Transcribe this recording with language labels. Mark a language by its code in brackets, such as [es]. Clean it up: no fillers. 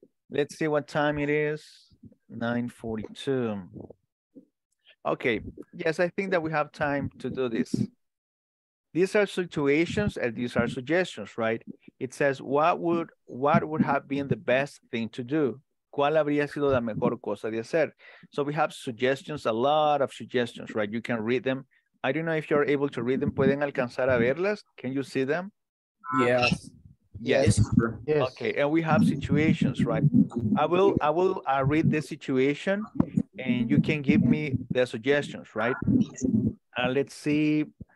[en] Let's see what time it is. 9:42. Okay, yes, I think that we have time to do this. These are situations and these are suggestions, right? It says, what would have been the best thing to do? [es] ¿Cuál habría sido la mejor cosa de hacer? [en] So we have suggestions, a lot of suggestions, right? You can read them. I don't know if you're able to read them. [es] ¿Pueden alcanzar a verlas? [en] Can you see them? Yes. Yes. Okay, and we have situations, right? I will read the situation. And you can give me the suggestions, right? Let's see.